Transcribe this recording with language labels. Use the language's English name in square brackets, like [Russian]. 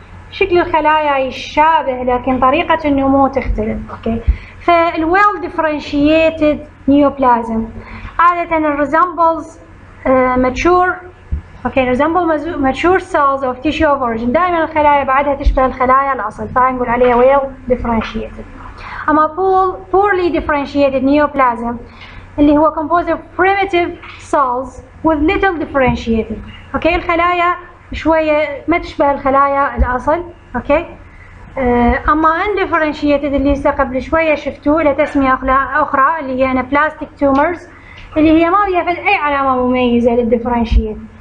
[Arabic] شكل الخلايا يشابه لكن طريقة النمو تختلف. اوكي. فال [English] well differentiated neoplasm [Arabic] عادة [English] resembles mature. [Arabic] اوكي. [English] resembles mature cells of tissue of origin. [Arabic] دائما الخلايا بعدها تشبه الخلايا الأصل. فنقول عليها well differentiated. أما [English] poorly differentiated neoplasm [Arabic] اللي هو [English] composed of primitive cells with little differentiated. [Arabic] اوكي. الخلايا شوية ما تشبه الخلايا الأصل. اوكي. أما undifferentiated اللي هسه قبل شوية شفتوه له تسمية أخرى اللي هي [English] neoplastic tumors [Arabic] اللي هي ما فيها أي علامة مميزة للdifferentiation.